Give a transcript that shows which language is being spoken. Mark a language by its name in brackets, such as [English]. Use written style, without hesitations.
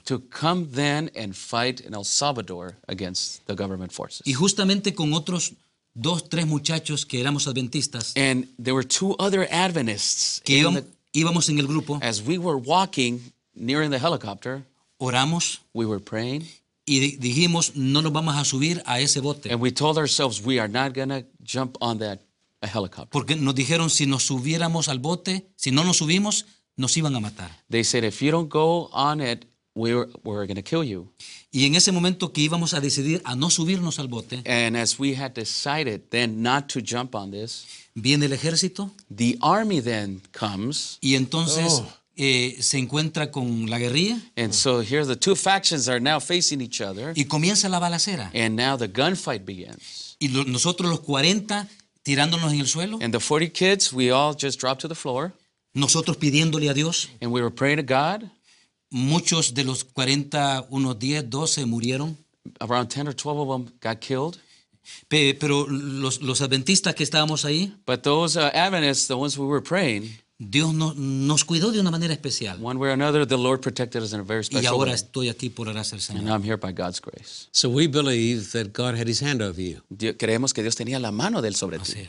[English] To come then and fight in El Salvador against the government forces. [Spanish] Y justamente con otros dos, tres muchachos que éramos adventistas. [English] And there were two other Adventists. [Spanish] Que íbamos en el grupo. [English] As we were walking nearing the helicopter. [Spanish] Oramos. [English] We were praying. [Spanish] Y dijimos, no nos vamos a subir a ese bote. [English] And we told ourselves we are not going to jump on that helicopter. [Spanish] Porque nos dijeron, si nos subiéramos al bote, si no nos subimos, nos iban a matar. [English] They said, if you don't go on it, we're going to kill you. [Spanish] Y en ese momento que íbamos a decidir a no subirnos al bote. [English] And as we had decided then not to jump on this. [Spanish] Viene el ejército. [English] The army then comes. [Spanish] Y entonces... Oh. Se encuentra con la guerrilla. [English] And so here the two factions are now facing each other. [Spanish] Y comienza la balacera. [English] And now the gunfight begins. [Spanish] Y nosotros los 40 tirándonos en el suelo. [English] And the 40 kids, we all just dropped to the floor. [Spanish] Nosotros pidiéndole a Dios. [English] And we were praying to God. [Spanish] Muchos de los 40, unos 10, 12 murieron. [English] Around 10 or 12 of them got killed. [Spanish] Pero los adventistas que estábamos ahí. [English] But those Adventists, the ones we were praying. [Spanish] Dios nos cuidó de una manera especial. [English] One way or another, the Lord protected us in a very special way. [Spanish] Y ahora estoy aquí por gracia del Señor. [English] And I'm here by God's grace. So we believe that God had his hand over you. [Spanish] Creemos que Dios tenía la mano de él sobre ti.